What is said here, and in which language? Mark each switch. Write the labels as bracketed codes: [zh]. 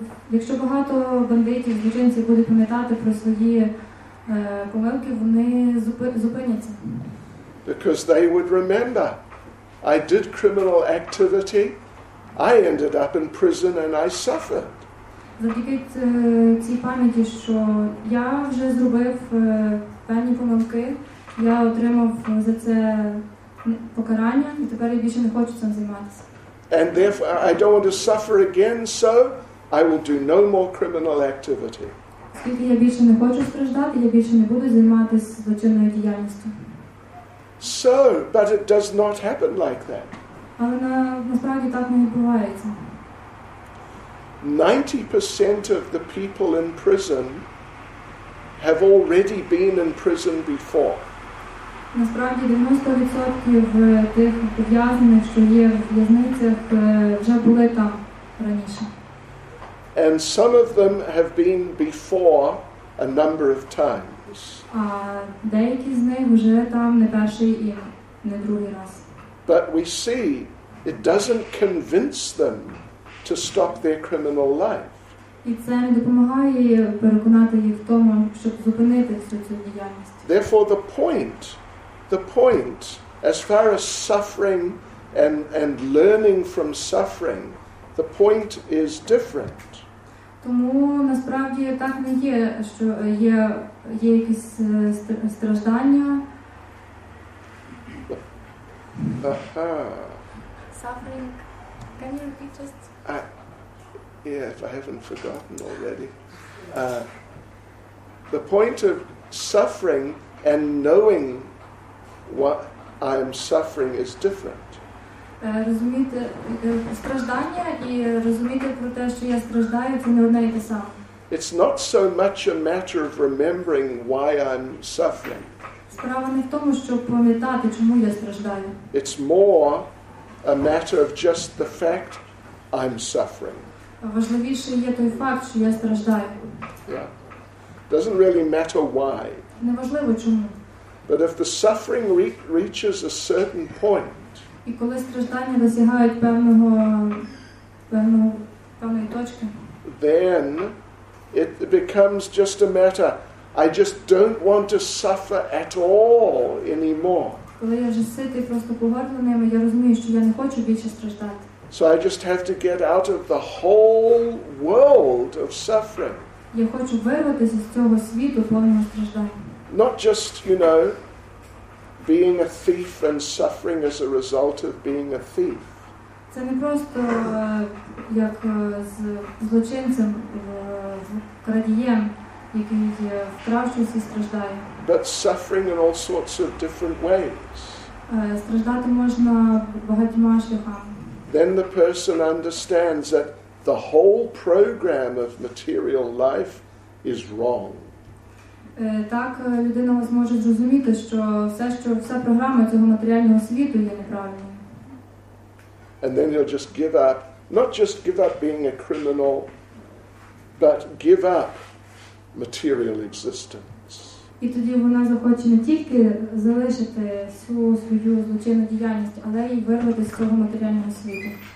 [uk] Якщо багато бандитів, злочинців будуть пам'ятати про свої помилки, вони зупиняться. [en] Because they would remember, I did criminal activity, I ended up in prison and I suffered. [uk] Завдяки цій пам'яті, що я вже зробив певні помилки, я отримав за це покарання, і тепер я більше не хочу цим займатися. [en] And therefore I don't want to suffer again, so I will do no more criminal activity. [uk] Оскільки я більше не хочу страждати, я більше не буду займатися злочинною діяльністю. [en] So, but it does not happen like that. [uk] Але насправді так не відбувається. [en] 90% of the people in prison have already been in prison before. [uk] Насправді 90% тих ув'язнених, що є в в'язницях, вже були там раніше. [en] And some of them have been before a number of times. [uk] А деякі з них вже там не перший і не другий раз. [en] But we see it doesn't convince them to stop their criminal life. [uk] І це не допомагає переконати їх в тому, щоб зупинити всю цю діяльність. [en] Therefore the point, as far as suffering and learning from suffering, the point is different. [uk] Тому насправді так не є, що є якісь страждання. [en] Suffering. Can you repeat just? If I haven't forgotten already. The point of suffering And knowing what I am suffering is different. [uk] Розуміти страждання і розуміти про те, що я страждаю, це не одне і те саме. [en] It's not so much a matter of remembering why I'm suffering. [uk] Справа не в тому, щоб пам'ятати, чому я страждаю. [en] It's more a matter of just the fact I'm suffering. [uk] Важливіше є той факт, що я страждаю. [en] Yeah. Doesn't really matter why. [uk] Неважливо чому. [en] But if the suffering reaches a certain point. [uk] І коли страждання досягають певної точки. [en] Then it becomes just a matter, I just don't want to suffer at all anymore. [uk] Коли я вже ситий просто поверненими, я розумію, що я не хочу більше страждати. [en] So I just have to get out of the whole world of suffering. [uk] Я хочу вирватися з цього світу повного страждання. [en] Not just, you know, being a thief and suffering as a result of being a thief. [uk] Це не просто як з злочинцем крадієм, який вкрав щось і страждає. [en] But suffering in all sorts of different ways. [uk] Страждати можна багатьма шляхами. [en] Then the person understands that the whole program of material life is wrong. [uk] Так людина зможе зрозуміти, що вся програма цього матеріального світу є неправильною. [en] And then he'll just give up, not just give up being a criminal, but give up material existence. [uk] І тоді вона захоче не тільки залишити всю свою злочинну діяльність, але й вирвати з цього матеріального світу.